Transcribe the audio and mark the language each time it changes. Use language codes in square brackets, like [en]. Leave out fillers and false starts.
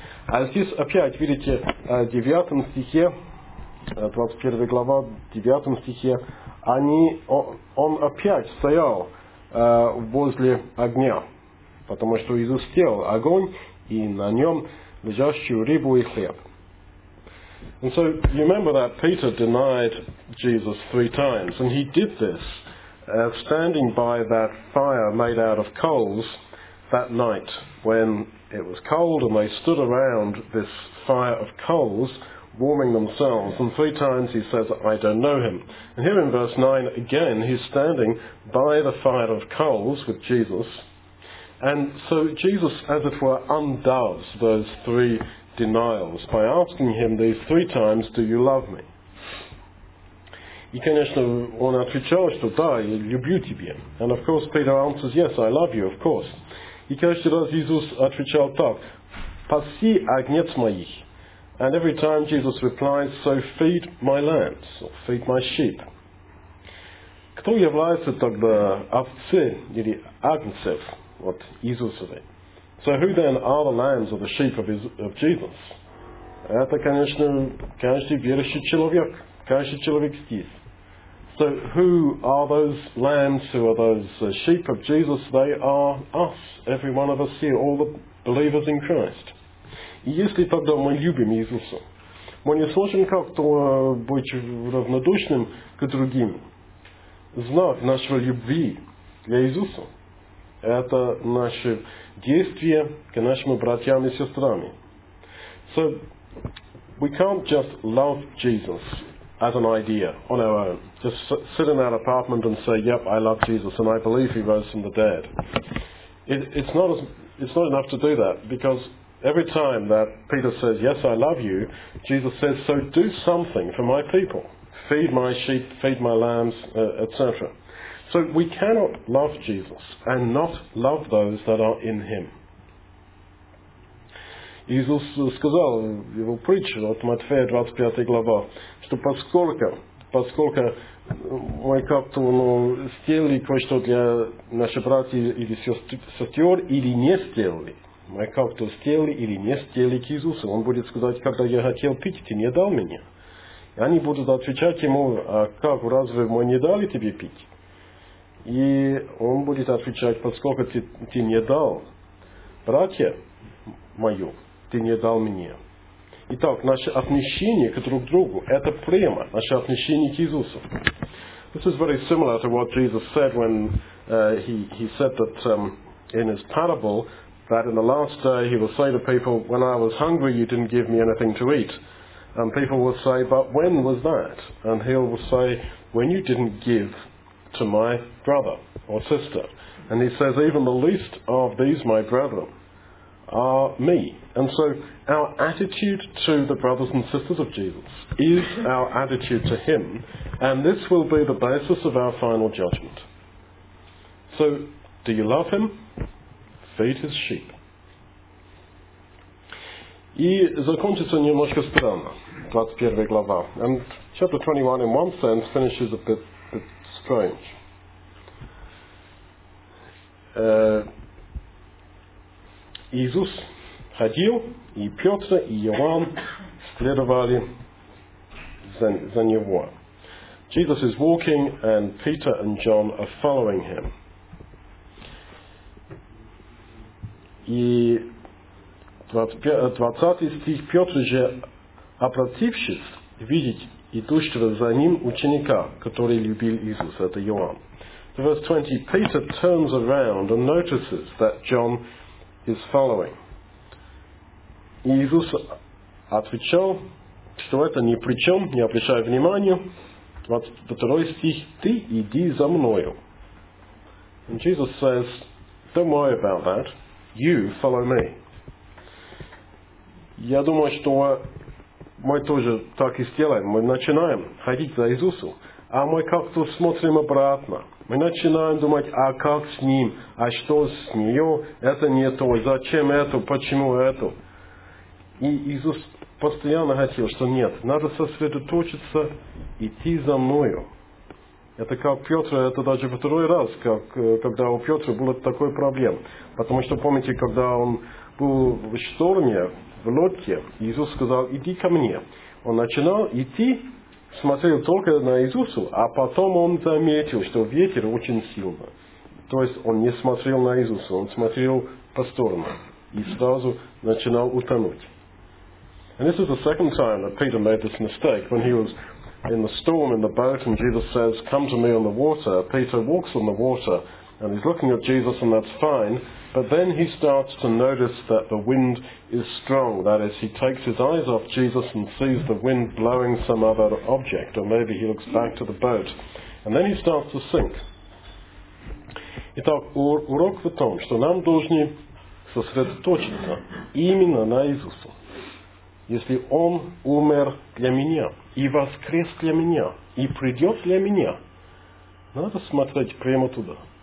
[ru] А здесь опять, видите, в 9 стихе, 21 глава, 9 стихе, он опять стоял возле огня, потому что Иисус сделал огонь и на нем лежащую рыбу и хлеб. [en] And so you remember that Peter denied Jesus 3 times, and he did this standing by that fire made out of coals that night when it was cold, and they stood around this fire of coals warming themselves, and 3 times he says, I don't know him. And here in verse 9 again, he's standing by the fire of coals with Jesus, and so Jesus, as it were, undoes those 3 denials by asking him these 3 times, do you love me? [ru] И, конечно, он отвечал, что да, я люблю тебя. [en] And of course Peter answers, yes, I love you, of course. [ru] И каждый раз Иисус отвечал так, паси агнец моих. [en] And every time Jesus replies, so feed my lambs, or feed my sheep. [ru] Кто является тогда овцы или агнцев, вот Иисусовы? [en] So who then are the lambs or the sheep of Jesus? [ru] Это, конечно, каждый верующий человек. Каждый человек здесь. [en] So who are those lambs, who are those sheep of Jesus? They are us, every one of us here, all the believers in Christ. [ru] И если тогда мы любим Иисуса, мы не сможем как-то быть равнодушным к другим. Знак нашего любви для Иисуса – это наши действия к нашим братьям и сестрам. [en] So we can't just love Jesus as an idea on our own. Just sit in our apartment and say, yep, I love Jesus and I believe he rose from the dead. It's not enough to do that, because every time that Peter says, yes, I love you, Jesus says, so do something for my people. Feed my sheep, feed my lambs, etc. So we cannot love Jesus and not love those that are in him. [ru] Иисус сказал в его притче от Матфея 25 глава, что поскольку мы как-то сделали кое-что для наших братьев или сестер, или не сделали, мы как-то сделали или не сделали к Иисусу, он будет сказать, когда я хотел пить, ты не дал меня. И они будут отвечать ему, а как, разве мы не дали тебе пить? И он будет отвечать, поскольку ты не дал братья мою, ты не дал мне. Итак, наше отношение к друг другу – это прямо наше отношение к Иисусу. [en] This is very similar to what Jesus said when he said that in his parable that in the last day he will say to people, when I was hungry you didn't give me anything to eat. And people will say, but when was that? And he will say, when you didn't give to my brother or sister. And he says, even the least of these my brethren are me. And so our attitude to the brothers and sisters of Jesus is our attitude to him, and this will be the basis of our final judgment. So do you love him? Feed his sheep. [ru] И закончится немножко странно, 21 глава. [en] And chapter 21 in one sense finishes a bit strange. [ru] Иисус ходил, и Петр, и Иоанн следовали за Него. [en] Jesus is walking, and Peter and John are following him. [ru] И 20 стих, Петр же, обратившись, видит идущего за ним ученика, который любил Иисуса, это Иоанн. [en] Verse 20, Peter turns around and notices that John is following. [ru] Иисус отвечал, что это ни при чем, не обращая внимания. 22 стих, ты иди за мною. [en] And Jesus says, don't worry about that, you follow me. [ru] Я думаю, что мы тоже так и сделаем. Мы начинаем ходить за Иисусом, а мы как-то смотрим обратно. Мы начинаем думать, а как с ним, а что с нее, это не то, зачем это, почему это. И Иисус постоянно хотел, что нет, надо сосредоточиться, идти за мною. Это как Петр, это даже второй раз, как, когда у Петра был такой проблем. Потому что помните, когда он был в шторме, в лодке, Иисус сказал, иди ко мне. Он начинал идти, смотрел только на Иисуса, а потом он заметил, что ветер очень сильный. То есть он не смотрел на Иисуса, он смотрел по сторонам и сразу начинал утонуть. [en] And this is the second time that Peter made this mistake when he was in the storm in the boat and Jesus says, come to me on the water. Peter walks on the water and he's looking at Jesus and that's fine. But then he starts to notice that the wind is strong. That is, he takes his eyes off Jesus and sees the wind blowing some other object. Or maybe he looks back to the boat. And then he starts to sink. [ru] Итак, урок в том, что нам должны сосредоточиться именно на Иисусе. Если Он умер для меня и воскрес для меня и придет для меня, надо смотреть прямо туда.